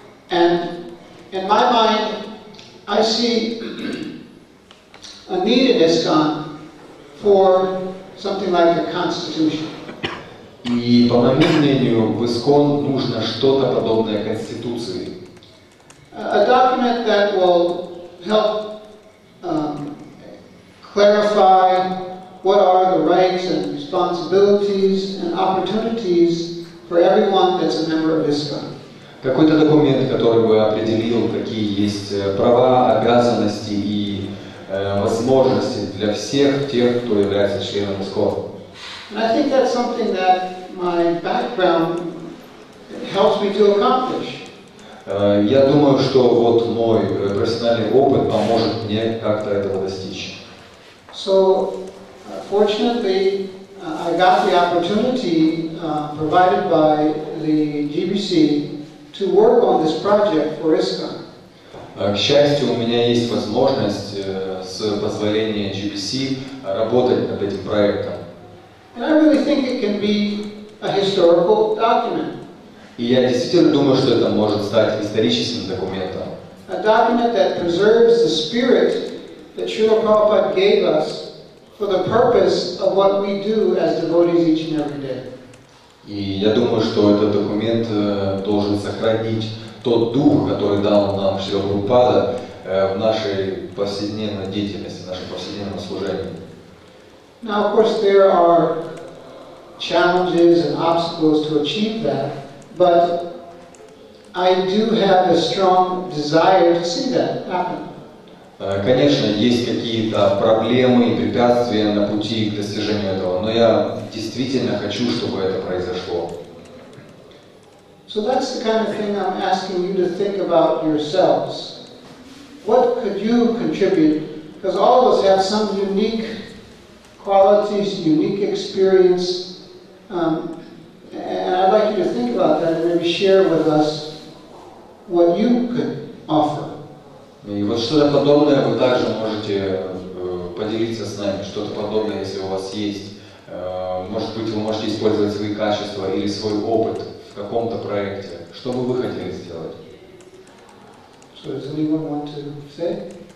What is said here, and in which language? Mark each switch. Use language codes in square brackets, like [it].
[en] And in my mind, I see a need in ISKCON for something like a constitution. [ru] И по моему мнению, в ИСККОН нужно что-то подобное конституции. [en] A document that will help clarify what are the rights and responsibilities and opportunities for everyone that's a member of ISKCON. [ru] Какой-то документ, который бы определил, какие есть права, обязанности и возможности для всех тех, кто является членом ISKCON. [en] And I think that's something that my background helps me to accomplish. [ru] Я думаю, что вот мой профессиональный опыт поможет мне как-то этого достичь. [en] So, fortunately, I got the opportunity provided by the GBC to work on this project for ISKCON. [ru] К счастью, у меня есть возможность с позволения GBC работать над этим проектом. [en] And I really think it can be a historical document. [ru] И я действительно думаю, что это может стать историческим документом. [en] A document that preserves the spirit that Srila Prabhupada gave us for the purpose of what we do as devotees each and every day. [ru] И я думаю, что этот документ должен сохранить тот дух, который дал нам Шрила Прабхупада в нашей повседневной деятельности, в нашем повседневном служении. [en] Now, of course, there are challenges and obstacles to achieve that, but I do have a strong desire to see that happen. [ru] Конечно, есть какие-то проблемы и препятствия на пути к достижению этого, но я действительно хочу, чтобы это произошло. [en] So that's the kind of thing I'm asking you to think about yourselves. What could you contribute? Because all of us have some unique qualities, unique experience, and I'd like you to think about that and maybe share with us what you could offer. [ru] И вот что-то подобное вы также можете поделиться с нами, что-то подобное, если у вас есть. Может быть, вы можете использовать свои качества или свой опыт в каком-то проекте. Что бы вы хотели сделать? [en] So, does anyone want to say?